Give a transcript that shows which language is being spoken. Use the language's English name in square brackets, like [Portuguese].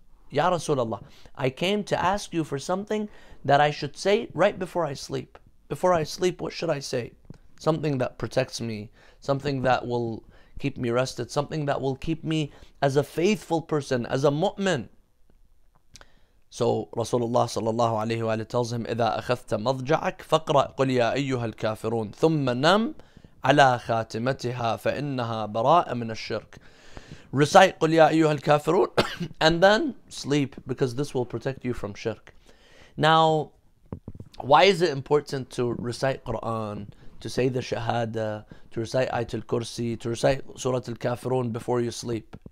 [English] Ya Rasulullah, I came to ask you for something that I should say right before I sleep. Before I sleep, what should I say? Something that protects me, something that will keep me rested, something that will keep me as a faithful person, as a mu'min. So Rasulullah sallallahu alayhi wa alayhi tells him, [Arabic] إِذَا أَخَذْتَ مَضْجَعَكَ فَقْرَأْ قُلْ يَا أَيُّهَا الْكَافِرُونَ ثُمَّ نَمْ عَلَىٰ خَاتِمَتِهَا فَإِنَّهَا بَرَاءَ مِنَ الشِّرْكِ. [English] Recite [Arabic] قُلْ يَا أَيُّهَا الْكَافِرُونَ [English] and then sleep, because this will protect you from shirk. Now, why is it important to recite Quran, to say the Shahada, to recite Ayatul Kursi, to recite Surat Al-Kafirun before you sleep?